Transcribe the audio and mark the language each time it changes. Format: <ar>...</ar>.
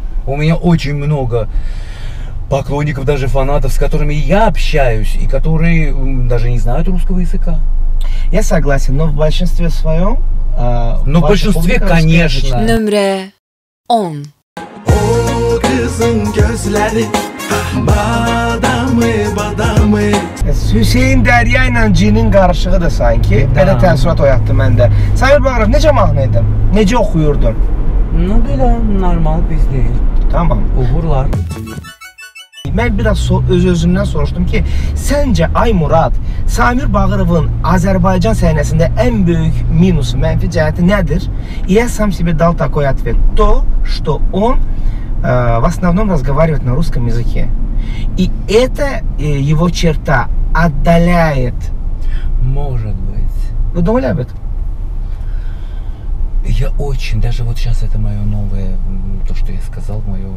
<ru>У меня очень много поклонников, даже фанатов, с которыми я общаюсь, и которые даже не знают русского языка. Я согласен, но в большинстве своем... Но в большинстве, конечно. Номер 10.</ru> <az>О, кызым гёзлэри, бадамы, бадамы. Hüseyin Dərya ilə cinin qarışığı da sanki belə təəssürat oyatdı məndə. Samir Bağırov, necə mahnı idi? Necə oxuyurdun? Nu belə normal biz deyil. Tamam. Uğurlar. Mən biraz öz-özümdən soruşdum ki, səncə Aymurad, Samir Bağırovun Azərbaycan səhnəsində ən böyük minusu, mənfi cəhəti nədir?</az> <ru>Я сам себе дал такой ответ. То, что он в основном разговаривает на русском языке. И это его черта отдаляет. Может быть. Вы думали об этом? Я очень, даже вот сейчас это мое новое, то, что я сказал, мое</ru>